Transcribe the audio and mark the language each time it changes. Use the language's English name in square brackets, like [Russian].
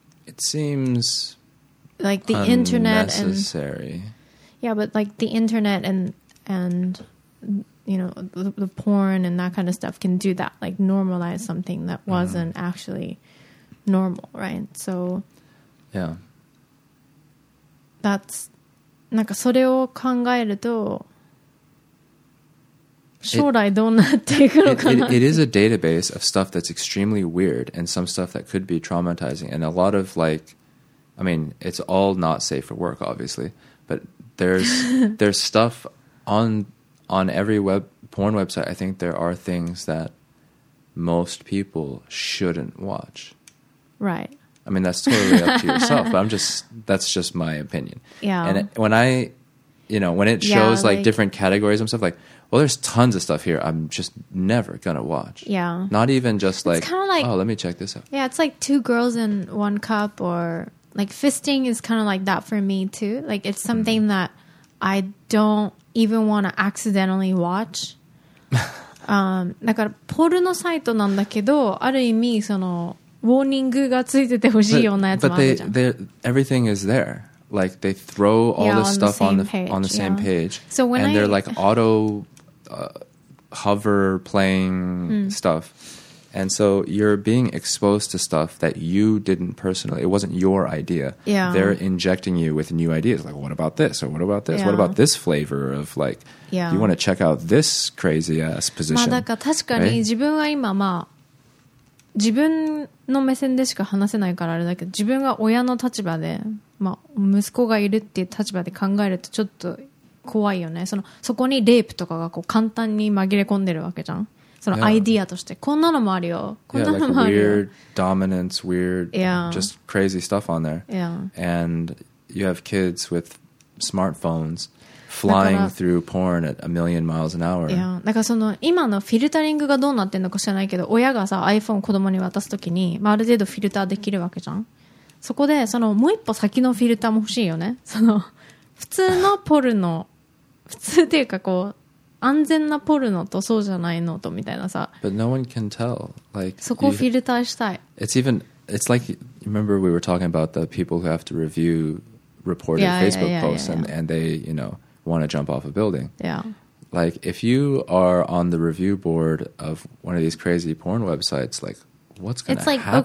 [English] it seems like the internet and necessary. Yeah, but like the internet and you know, the porn and that kind of stuff can do that, like normalize something that wasn't actually normal, right? So yeah. [Japanese] That's なんかそれを考えると将来どうなっていくのかな。 [English] It is a database of stuff that's extremely weird and some stuff that could be traumatizing and a lot of like, I mean, it's all not safe for work, obviously, but there's stuff on every porn website. I think there are things that most people shouldn't watch. Right. I mean, that's totally up to yourself, but that's just my opinion. Yeah. And when it shows like different categories and stuff, like, well, there's tons of stuff here I'm just never going to watch. Yeah. Not even just like, it's kinda like, oh, let me check this out. Yeah, it's like two girls in one cup or like fisting is kind of like that for me too. Like it's something that I don't even want to accidentally watch. [Japanese] だからポルノサイトなんだけど、ある意味そのウォーニングがついててほしいようなやつもあるじゃん。 [English] But everything is there. Like they throw all this stuff on the same page. So when and they're like auto hover playing stuff. And so you're being exposed to stuff that you didn't personally, it wasn't your idea. Yeah. They're injecting you with new ideas. Like, what about this? Or what about this? Yeah. What about this flavor of like, you want to check out this crazy ass position. [Japanese] まあ、だから確かに自分は今、まあ、自分の目線でしか話せないからあれだけど、自分が親の立場で、まあ、息子がいるっていう立場で考えるとちょっと怖いよね。そこにレイプとかがこう簡単に紛れ込んでるわけじゃん。そのアイディアとして、こんなのもあるよ。こんなのもあるよ。 [English] Yeah, like weird dominance, weird, just crazy stuff on there. Yeah. And you have kids with smartphones flying through porn at a million miles an hour. Yeah. [Japanese] だからその今のフィルタリングがどうなってんのか知らないけど、親がさ、iPhone 子供に渡すときに、まあ、ある程度フィルターできるわけじゃん。そこで、そのもう一歩先のフィルターも欲しいよね。その、普通のポルノ、普通っていうかこう、安全なポルノとそうじゃないのとみたいなさ。 [English] But no one can tell. Like, [Japanese] そこをフィルターしたい。 [English] It's like, remember we were talking about the people who have to review reported Facebook posts and they, you know, want to jump off a building. Yeah. Like, if you are on the review board of one of these crazy porn websites, like, what's going to happen